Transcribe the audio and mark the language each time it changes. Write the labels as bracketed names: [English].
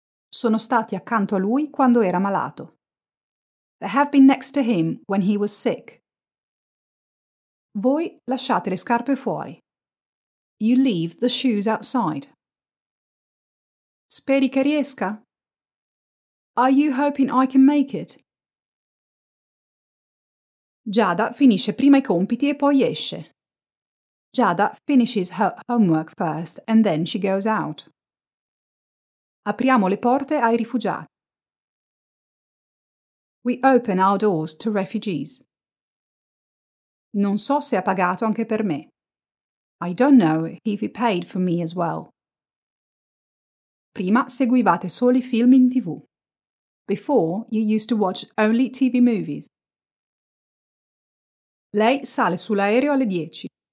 [Italian] Sono stati accanto a lui quando era malato. [English] They have been next to him when he was sick. [Italian] Voi lasciate le scarpe fuori. [English] You leave the shoes outside. [Italian] Speri che riesca? [English] Are you hoping I can make it? [Italian] Giada finisce prima i compiti e poi esce. [English] Giada finishes her homework first and then she goes out. [Italian] Apriamo le porte ai rifugiati. [English] We open our doors to refugees. [Italian] Non so se ha pagato anche per me. [English] I don't know if he paid for me as well. [Italian] Prima seguivate soli film in TV. [English] Before, you used to watch only TV movies. [Italian] Lei sale sull'aereo alle 10.